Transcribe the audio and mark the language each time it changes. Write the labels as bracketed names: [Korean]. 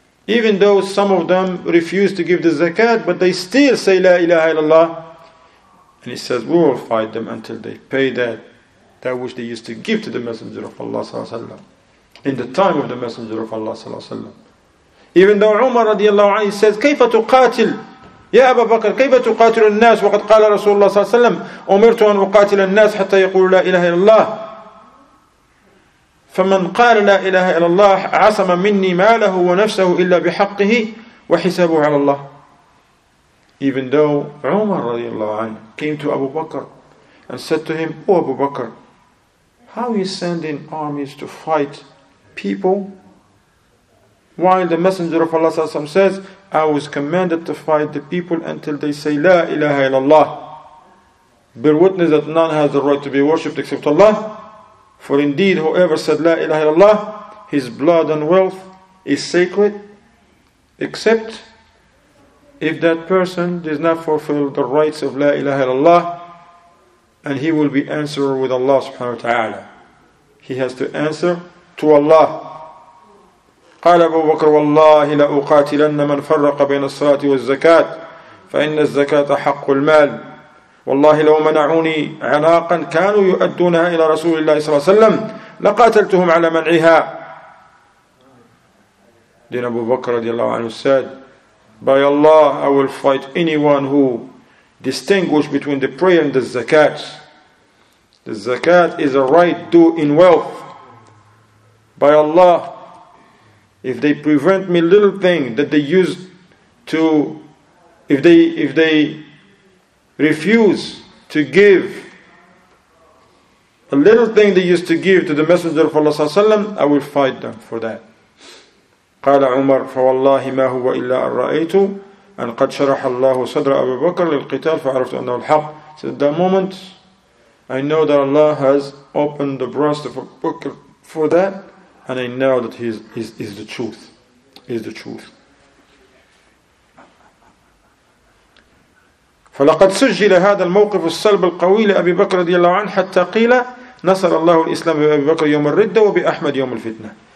[English] Even though some of them refuse to give the zakat, but they still say La ilaha illallah. And he says, we will fight them until they pay that which they used to give to the Messenger of Allah sallallahu alaihi wasallam, in the time of the Messenger of Allah sallallahu alaihi wasallam. Even though Umar radiallahu anhu says, [Arabic] كيف تقاتل يا أبا بكر كيف تقاتل الناس وقد قال رسول الله صلى الله عليه وسلم أمرت أن أقاتل الناس حتى يقول لا إله إلا الله فمن قال لا إله إلا الله عصم مني ماله ونفسه إلا بحقه وحسابه على الله. [English] Even though Umar radiallahu anhu came to Abu Bakr and said to him, oh Abu Bakr, how are you sending armies to fight people while the Messenger of Allah says, I was commanded to fight the people until they say, La ilaha illallah. Bear witness that none has the right to be worshipped except Allah. For indeed, whoever said, La ilaha illallah, his blood and wealth is sacred, except if that person does not fulfill the rights of La ilaha illallah, and he will be answerable with Allah subhanahu wa ta'ala. He has to answer to Allah. [Arabic] قال أبو بكر والله لأقاتلن من فرق بين الصلاة والزكاة فإن الزكاة حق المال والله لو منعوني عناقا كانوا يؤدونها إلى رسول الله صلى الله عليه وسلم لقاتلتهم على منعها. [English] Then Abu Bakr رضي الله عنه said, by Allah I will fight anyone who distinguish between the prayer and the zakat. The zakat is a right due in wealth. By Allah, if they prevent me little thing that they use to, if they refuse to give a little thing they used to give to the Messenger of Allah sallallahu alaihi wasallam, I will fight them for that. [Arabic] قال عمر فوالله ما هو إلا أن رأيت أن قد شرح الله صدر أبي بكر للقتال فعرفت أنه الحق. [English] So at that moment, I know that Allah has opened the breast of Abu Bakr for that. And I know that he is the truth. Is the truth. [Arabic] فَلَقَدْ سُجِّلَ هَذَا الْمَوْقِفُ السَّلْبُ الْقَوِيِّ لِأَبِي بَكْرَ رضي الله عنه حَتَّى قِيلَ نَصَرَ اللَّهُ الْإِسْلَامَ بِأَبِي بَكْرَ يَوْمَ الرِّدَّةِ وَبِأَحْمَدَ يَوْمَ الْفِتْنَةِ.